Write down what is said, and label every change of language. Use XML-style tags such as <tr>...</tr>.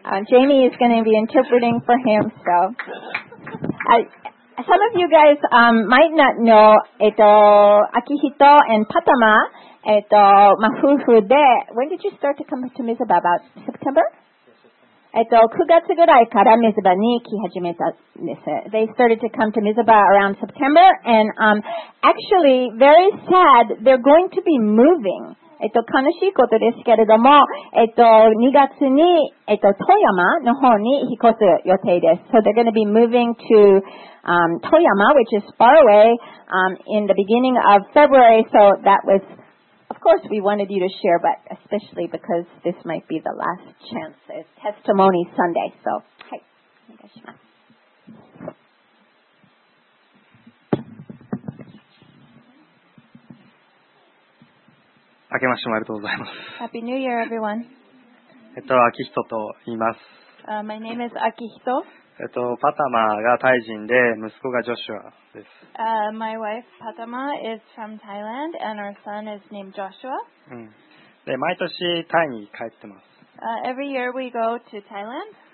<en>Jamie is going to be interpreting for him. So, some of you guys might not know. Akihito and Patama, mafufu de. When did you start to come to Mizuba? About September?</en> <ja>9月ぐらいからミズバに来始めたんです。</ja> <en>They started to come to Mizuba around September, and actually, very sad, they're going to be moving.</en> <ja>悲しいことですけれども、2月に、富山の方に引っ越す予定です。</ja> <en>So they're going to be moving to, Toyama, which is far away, in the beginning of February, so that was, of course, we wanted you to share, but especially because this might be the last chance. Testimony Sunday. So,</en> <ja>はい。明けましておめでとうございます。</ja> <en>Happy New Year, everyone.</en> <ja>秋人と言います。</ja> <en>My name is Akihito.</en> <ja>パタマがタイ人で息子がジョシュアです。</ja> <en>My wife Patama is from Thailand and our son is named Joshua.</en> <ja>で毎年タイに帰ってます。</ja> <en>Every year we go to Thailand.</en>